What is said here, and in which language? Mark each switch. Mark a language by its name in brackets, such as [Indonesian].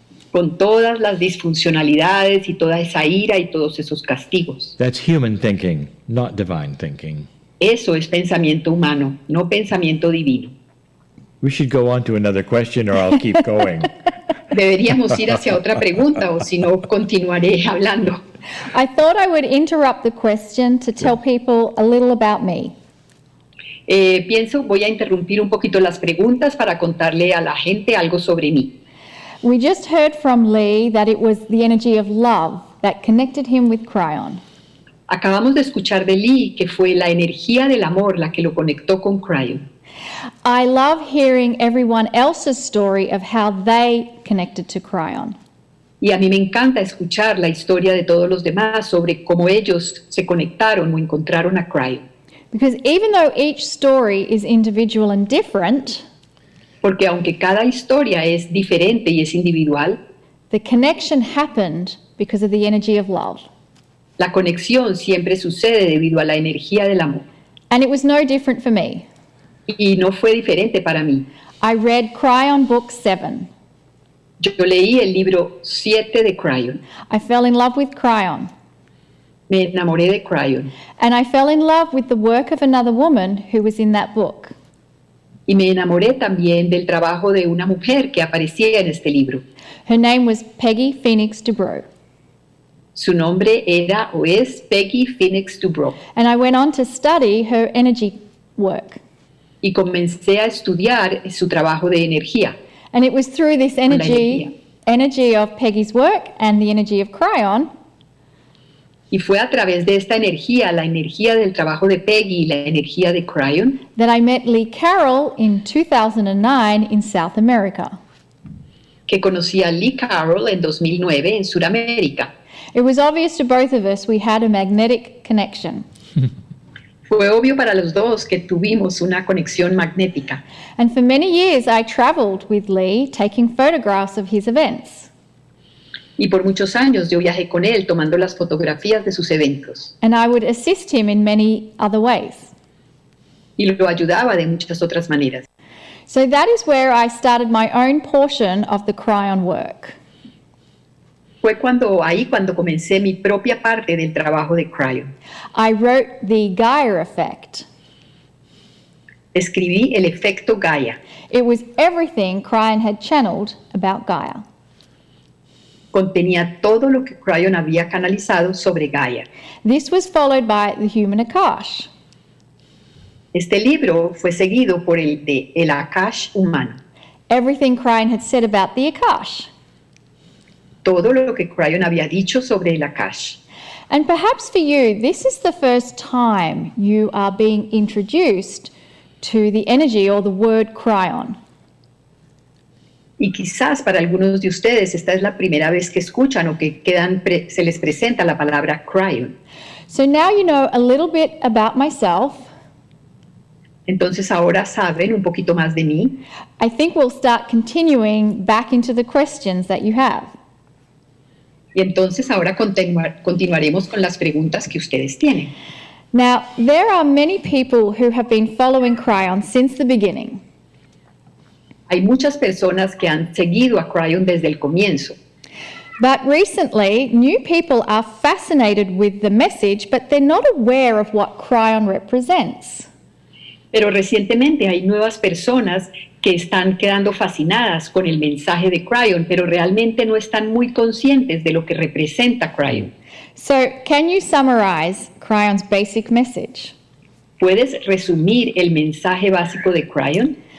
[Spanish] Con todas las disfuncionalidades y toda esa ira y todos esos castigos. [English] That's human thinking, not divine thinking. [Spanish] Eso es pensamiento humano, no pensamiento divino. [English] We should go on to another question or I'll keep going. [Spanish] Deberíamos ir hacia otra pregunta o si no continuaré hablando. [English] I thought I would interrupt the question to tell people a little about me. [Spanish] Pienso voy a interrumpir un poquito las preguntas para contarle a la gente algo sobre mí. [English] We just heard from Lee that it was the energy of love that connected him with Kryon. [Spanish] Acabamos de escuchar de Lee que fue la energía del amor la que lo conectó con Kryon. [English] I love hearing everyone else's story of how they connected to Kryon. [Spanish] Y a mí me encanta escuchar la historia de todos los demás sobre cómo ellos se conectaron o encontraron a Kryon. [English] Because even though each story is individual and different, [Spanish] porque aunque cada historia es diferente y es individual, [English] the connection happened because of the energy of love. [Spanish] La conexión siempre sucede debido a la energía del amor. [English] And it was no different for me. [Spanish] Y no fue diferente para mí. [English] I read Kryon book 7. [Spanish] Yo leí el libro 7 de Kryon. [English] I fell in love with Kryon. [Spanish] Me enamoré de Kryon. [English] And I fell in love with the work of another woman who was in that book. [Spanish] Y me enamoré también del trabajo de una mujer que aparecía en este libro. [English] Her name was Peggy Phoenix Dubrow. [Spanish] Su nombre era o es Peggy Phoenix Dubrow. [English] And I went on to study her energy work. [Spanish] Y comencé a estudiar su trabajo de energía. [English] And it was through this energy of Peggy's work and the energy of Kryon. [Spanish] Y fue a través de esta energía, la energía del trabajo de Peggy y la energía de Kryon, [English] that I met Lee Carroll in 2009 in South America. [Spanish] Que conocí a Lee Carroll en 2009 en Sudamérica. [English] It was obvious to both of us we had a magnetic connection. [Spanish] Fue obvio para los dos que tuvimos una conexión magnética. [English] And for many years I traveled with Lee taking photographs of his events. [Spanish] Y por muchos años yo viajé con él tomando las fotografías de sus eventos. [English] And I would assist him in many other ways. [Spanish] Y lo ayudaba de muchas otras maneras. [English] So that is where I started my own portion of the Kryon work. [Spanish] Fue cuando comencé mi propia parte del trabajo de Kryon. [English] I wrote the Gaia effect. [Spanish] Escribí el efecto Gaia. [English] It was everything Kryon had channeled about Gaia. [Spanish] Contenía todo lo que Kryon había canalizado sobre Gaia. [English] This was followed by the Human Akash. [Spanish] Este libro fue seguido por el de El Akash Humano. [English] Everything Kryon had said about the Akash. [Spanish] Todo lo que Kryon había dicho sobre el Akash. [English] And perhaps for you, this is the first time you are being introduced to the energy or the word Kryon. [Spanish] Y quizás para algunos de ustedes esta es la primera vez que escuchan o que se les presenta la palabra Kryon. [English] So now you know a little bit about myself. [Spanish] Entonces ahora saben un poquito más de mí. [English] I think we'll start continuing back into the questions that you have. [Spanish] Y entonces ahora continuaremos con las preguntas que ustedes tienen. [English] Now, there are many people who have been following Kryon since the beginning. [Spanish] Hay muchas personas que han seguido a Kryon desde el comienzo. [English] But recently, new people are fascinated with the message, but they're not aware of what Kryon represents. [Spanish] Pero recientemente hay nuevas personas que están quedando fascinadas con el mensaje de Kryon, pero realmente no están muy conscientes de lo que representa Kryon. [English] So, can you summarize Kryon's basic message? [Spanish] ¿Puedes resumir el mensaje básico de Kryon?